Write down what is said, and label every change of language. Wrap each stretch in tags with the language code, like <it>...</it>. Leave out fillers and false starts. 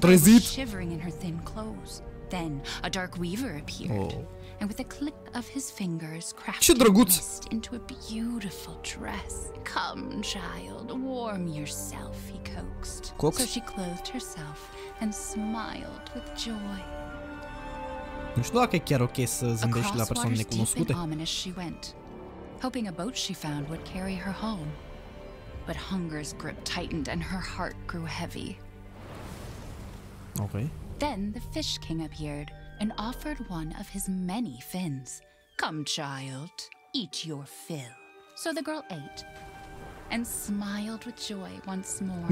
<en>The girl was shivering in her thin clothes. Then a dark weaver appeared, and with a click of his fingers, crafted a mist into a beautiful dress. Come, child, warm yourself, he coaxed. So she clothed herself and smiled with joy.</en> <ro>Nu știu dacă e chiar ok să zâmbești la persoane necunoscute.</ro> <en>Ominous, she went, hoping a boat she found would carry her home. But hunger's grip tightened and her heart grew heavy. Okay. Then the fish king appeared and offered one of his many fins. Come, child, eat your fill. So the girl ate and smiled with joy once more.</en>